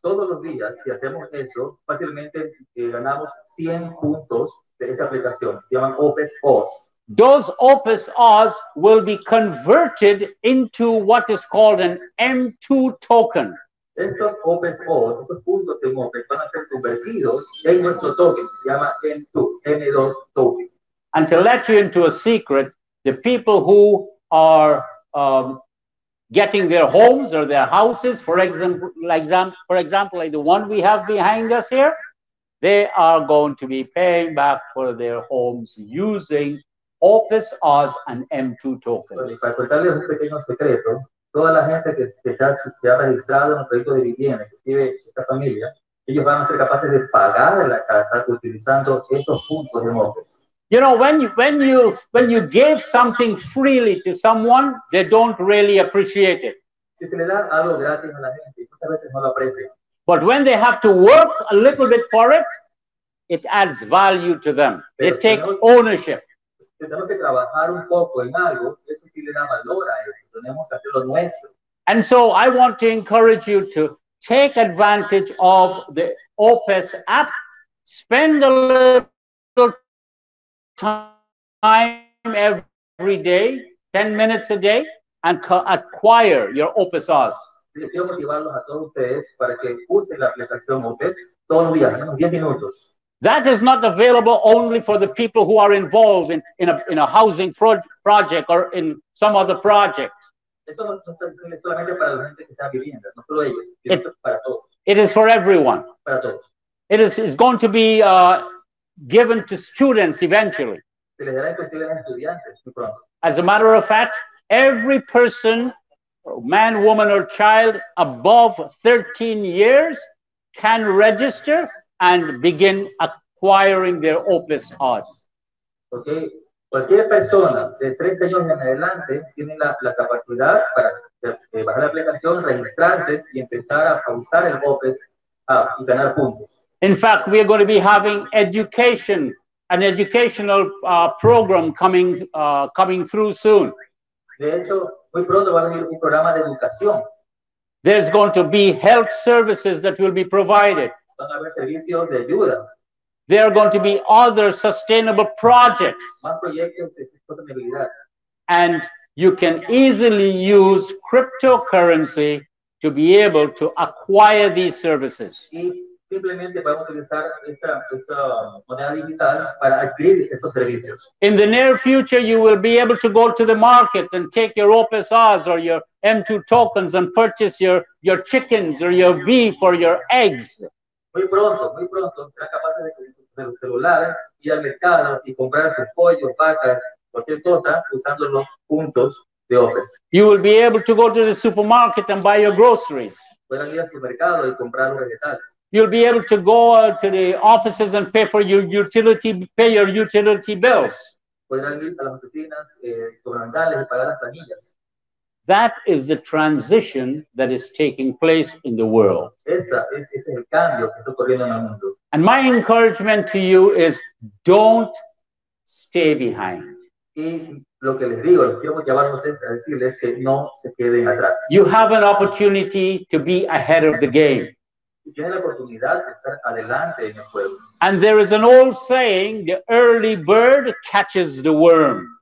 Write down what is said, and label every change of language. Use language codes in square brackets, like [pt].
[es] Todos los días, si hacemos eso, fácilmente ganamos 100 puntos de esa aplicación. Se llaman Opus Oz. [en] Those Opus Oz will be converted into what is called an M2 token. [es] Estos Opus Oz, estos puntos de Opus, van a ser convertidos en nuestro token. Se llama M2, M2 token. [en] And to let you into a secret, the people who are getting their homes or their houses, for example, like the one we have behind us here, they are going to be paying back for their homes using Opus Oz and M2 tokens. [es] Bueno, y para contarles un pequeño secreto, toda la gente que se ha registrado en el proyecto de vivienda, inclusive esta familia, ellos van a ser capaces de pagar la casa utilizando esos puntos de Opus. [en] You know, when you give something freely to someone, they don't really appreciate it. [es] Si se le da algo gratis a la gente, muchas veces no lo aprecian. [en] But when they have to work a little bit for it, it adds value to them. [es] Pero [en] they take ownership. [es] Si tenemos que trabajar un poco en algo, eso sí le da valor a eso. Tenemos que hacerlo nuestro. [en] And so I want to encourage you to take advantage of the OPES app, spend a little time every day, 10 minutes a day, and acquire your OPES hours. [es] Quiero motivarlos a todos ustedes para que usen la aplicación OPES todos los días, 10 minutos. [en] That is not available only for the people who are involved in a housing project or in some other project. It is for everyone. [es] Para todos. [en] It is going to be given to students eventually. [es] Se les dará posibilidad a estudiantes muy pronto. [en] As a matter of fact, every person, man, woman, or child above 13 years can register and begin acquiring their OPES hours. [es] Okay, cualquier persona de 13 años en adelante tiene la capacidad para bajar la aplicación, registrarse y empezar a usar el OPES y ganar puntos. [en] In fact, we are going to be having an educational program coming through soon. [es] De hecho, muy pronto va a venir un programa de educación. [en] There's going to be health services that will be provided. [es] Van a haber servicios de ayuda. [en] There are going to be other sustainable projects. [es] Más proyectos de sostenibilidad. [en] And you can easily use cryptocurrency to be able to acquire these services. [es] Y simplemente podemos utilizar esta moneda digital para adquirir estos servicios. [en] In the near future, you will be able to go to the market and take your OPSRs or your M2 tokens and purchase your chickens or your beef or your eggs. [es] Muy pronto, serán capaces de con el celular ir al mercado y comprar sus pollos, vacas, cualquier cosa, usando los puntos de OPES. [en] You will be able to go to the supermarket and buy your groceries. [es] Pueden ir al supermercado y comprar los vegetales. [en] You'll be able to go to the offices and pay your utility bills. [es] Pueden ir a las oficinas gubernamentales y pagar las planillas. [en] That is the transition that is taking place in the world. [es] Ese es el cambio que está ocurriendo en el mundo. [en] And my encouragement to you is don't stay behind. [es] Y lo que les digo, lo que quiero llevarlos es a decirles que no se queden atrás. [en] You have an opportunity to be ahead of the game. [es] Tienes la oportunidad de estar adelante en el juego. [en] And there is an old saying, the early bird catches the worm.